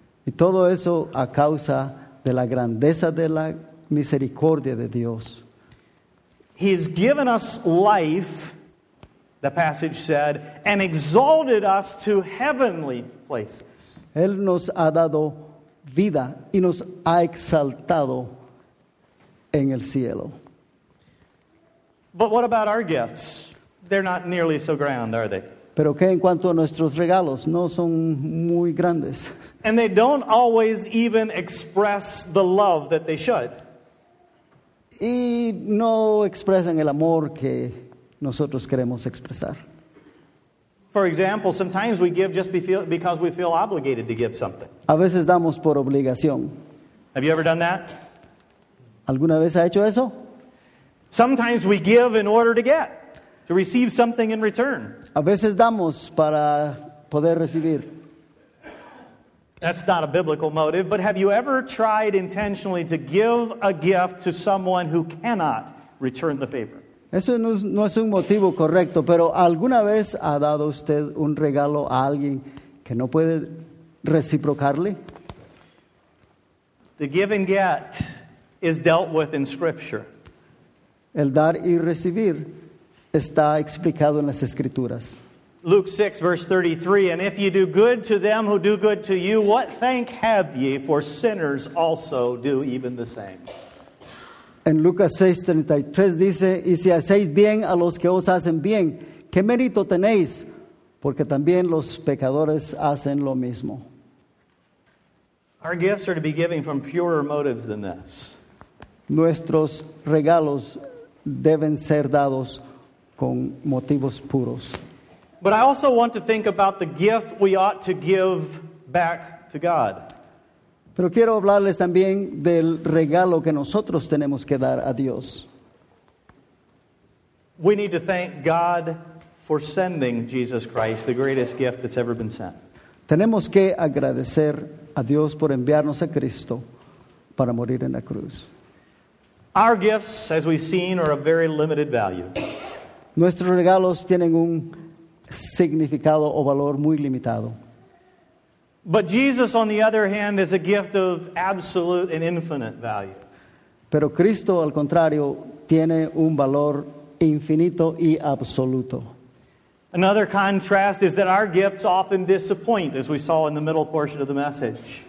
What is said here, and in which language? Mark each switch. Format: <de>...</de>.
<es>Y todo eso a causa de la grandeza de la misericordia de Dios.</es> <en>He's given us life, the passage said, and exalted us to heavenly places.</en> <es>Él nos ha dado vida y nos ha exaltado en el cielo.</es> <en>But what about our gifts? They're not nearly so grand, are they?</en> <es>Pero qué en cuanto a nuestros regalos, no son muy grandes.</es> <en>And they don't always even express the love that they should.</en> <es>Y no expresan el amor que nosotros queremos expresar.</es> <en>For example, sometimes we give just because we feel obligated to give something.</en> <es>A veces damos por obligación.</es> <en>Have you ever done that?</en> <es>¿Alguna vez ha hecho eso?</es> <en>Sometimes we give in order to get. To receive something in return.</en> <es>A veces damos para poder recibir.</es> <en>That's not a biblical motive, but have you ever tried intentionally to give a gift to someone who cannot return the favor?</en> <es>Eso no es un motivo correcto, pero ¿alguna vez ha dado usted un regalo a alguien que no puede reciprocarle?</es> <en>The give and get is dealt with in Scripture.</en> <es>El dar y recibir está explicado en las Escrituras.</es> <en>Luke 6, verse 33, and if you do good to them who do good to you, what thank have ye? For sinners also do even the same.</en> <es>En Lucas 6, 33 dice, y si hacéis bien a los que os hacen bien, ¿qué mérito tenéis? Porque también los pecadores hacen lo mismo.</es> <en>Our gifts are to be given from purer motives than this.</en> <es>Nuestros regalos deben ser dados con motivos puros.</es> <en>But I also want to think about the gift we ought to give back to God.</en> <es>Pero quiero hablarles también del regalo que nosotros tenemos que dar a Dios.</es> <en>We need to thank God for sending Jesus Christ, the greatest gift that's ever been sent.</en> <es>Tenemos que agradecer a Dios por enviarnos a Cristo para morir en la cruz.</es> <en>Our gifts, as we've seen, are of very limited value.</en> <es>Nuestros regalos tienen un significado o valor muy limitado.</es> <en>But Jesus, on the other hand, is a gift of absolute and infinite value.</en> <es>Pero Cristo, al contrario, tiene un valor infinito y absoluto.</es> <en>Another contrast is that our gifts often disappoint, as we saw in the middle portion of the message.</en>